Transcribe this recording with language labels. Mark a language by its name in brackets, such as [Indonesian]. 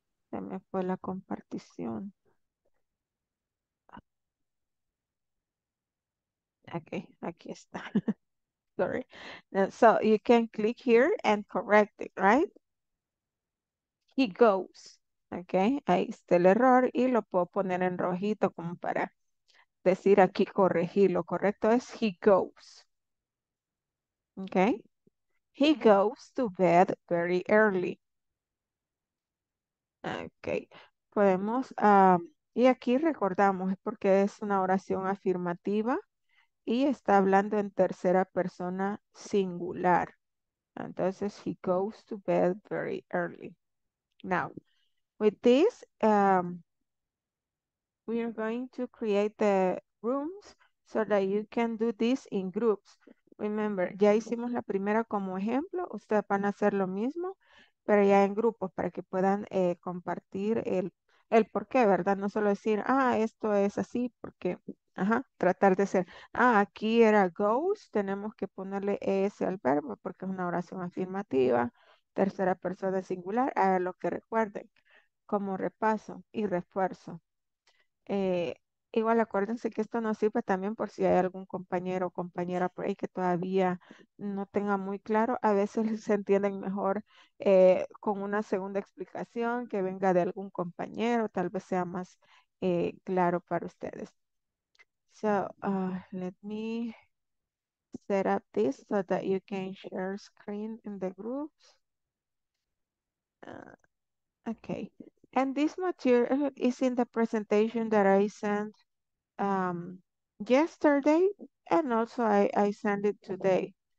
[Spanish] Se me fue la compartición. Okay, aquí está. [English] Sorry. So you can click here and correct it, right? He goes. [Spanish] Okay, ahí está el error y lo puedo poner en rojito como para decir aquí corregir. Lo correcto es [English] he goes. Okay, he goes to bed very early. [Spanish] Okay, podemos, y aquí recordamos, es porque es una oración afirmativa. Y está hablando en tercera persona singular. Entonces, [English] he goes to bed very early. Now, with this, we are going to create the rooms so that you can do this in groups. [Spanish] Remember, ya hicimos la primera como ejemplo. Ustedes van a hacer lo mismo, pero ya en grupos para que puedan compartir el por qué, ¿verdad? No solo decir, ah, esto es así porque... Ajá, tratar de ser, ah, aquí era goes, tenemos que ponerle ese al verbo porque es una oración afirmativa, tercera persona singular, a ver lo que recuerden, como repaso y refuerzo. Igual acuérdense que esto nos sirve también por si hay algún compañero o compañera por ahí que todavía no tenga muy claro, a veces se entienden mejor con una segunda explicación que venga de algún compañero, tal vez sea más claro para ustedes. [English] So let me set up this so that you can share screen in the groups. Okay, and this material is in the presentation that I sent yesterday, and also I sent it today.